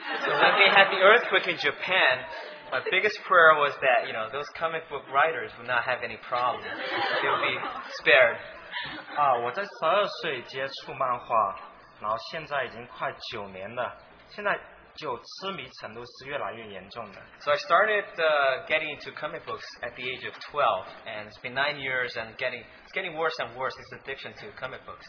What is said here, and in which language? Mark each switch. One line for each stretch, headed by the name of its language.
English: So when they had the earthquake in Japan, my biggest prayer was that, you know, those comic book writers would not have any problems. They would be spared.
Chinese: 我在12岁接触漫画，然后现在已经快9年了，现在就痴迷程度是越来越严重的。
English: So I started getting into comic books at the age of 12, and it's been 9 years, and it's getting worse and worse, this addiction to comic books.